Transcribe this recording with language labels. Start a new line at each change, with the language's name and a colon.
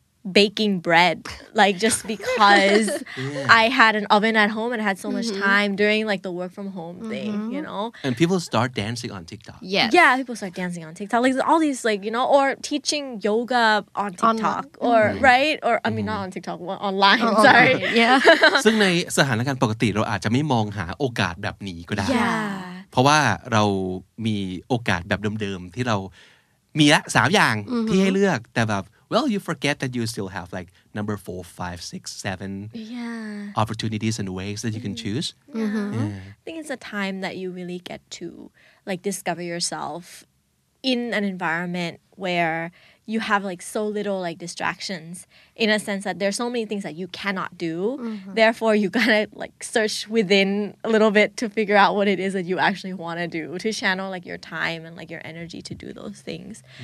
English: baking bread, like, just because I had an oven at home and I had so much time during, like, the work from home thing, you know? And people start dancing on TikTok. Yes. Yeah, people start dancing on TikTok. Like, all these, like, you know, or teaching yoga on TikTok. On- or, right? Or, I mean, not on TikTok, online, sorry. Yeah.
Thai: ซึ่งในสถานการณ์ปกติเราอาจจะไม่มองหาโอกาสแบบนี้ก็ได้
English: Yeah.
Thai: เพราะว่าเรามีโอกาสแบบเดิมๆที่เรามีละ3อย่างที่ให้เลือกแต่แบบ
English: Well, you forget that you still have like number 4, 5, 6, 7 yeah. opportunities and ways that you can choose. Yeah. I think it's a time that you really get to like discover yourself in an environment where you have like so little like distractions in a sense that there's so many things that you cannot do. Therefore, you gotta like search within a little bit to figure out what it is that you actually want to do to channel like your time and like your energy to do those things.